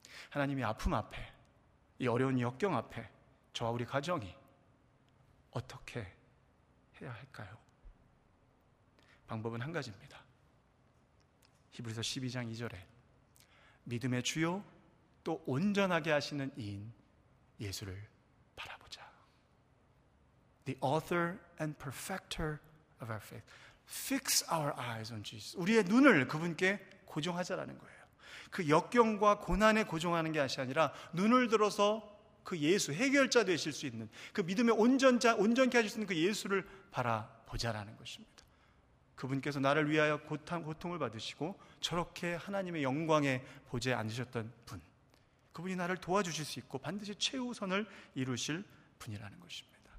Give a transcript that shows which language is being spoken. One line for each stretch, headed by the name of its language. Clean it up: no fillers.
Korean: 하나님이 아픔 앞에 이 어려운 역경 앞에 저와 우리 가정이 어떻게 해야 할까요? 방법은 한 가지입니다. 히브리서 12장 2절에 믿음의 주요 또 온전하게 하시는 이인 예수를 바라보자.
English: The author and perfecter of our faith. Fix our eyes on Jesus.
Korean: 우리의 눈을 그분께 고정하자라는 거예요. 그 역경과 고난에 고정하는 게 아니라 눈을 들어서 그 예수 해결자 되실 수 있는 그 믿음의 온전케 하실 수 있는 그 예수를 바라보자라는 것입니다. 그분께서 나를 위하여 고통을 받으시고 저렇게 하나님의 영광의 보좌에 앉으셨던 분, 그분이 나를 도와주실 수 있고 반드시 최우선을 이루실 분이라는 것입니다.